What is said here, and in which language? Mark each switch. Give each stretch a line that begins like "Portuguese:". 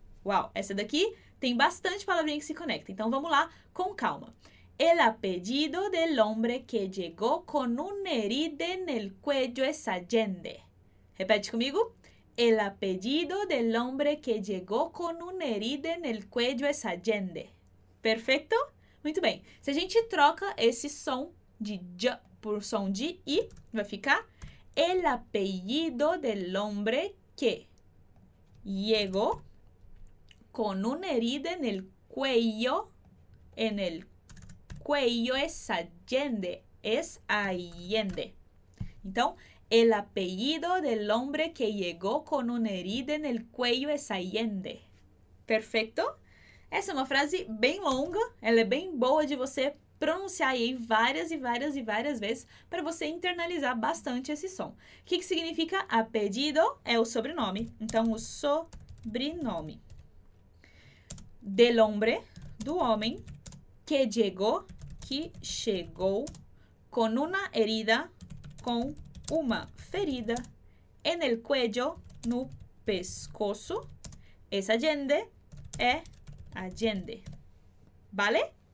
Portuguese: Uau, essa daqui tem bastante palavrinha que se conecta. Então, vamos lá com calma.
Spanish: El apellido del hombre que llegó con un herida en el cuello es Allende. Repite conmigo. El apellido del hombre que llegó con un herida en el cuello es Allende. Perfecto?
Portuguese: Muito bem. Se a gente troca esse som de J por som de I, vai ficar
Spanish: El apellido del hombre que llegó con un herida en el cuello. En el cuello es Allende. Es Allende. Então, el apellido del hombre que llegó con un herida en el cuello es Allende. Perfecto?
Portuguese: Essa é uma frase bem longa, ela é bem boa de você pronunciar aí várias e várias e várias vezes para você internalizar bastante esse som. O que, que significa apellido? É o sobrenome. Então, o sobrenome.
Spanish: Del hombre,
Portuguese: do homem, que chegou
Spanish: con una herida,
Portuguese: com uma ferida,
Spanish: en el cuello,
Portuguese: no pescoço,
Spanish: es Allende,
Portuguese: é Allende. Vale?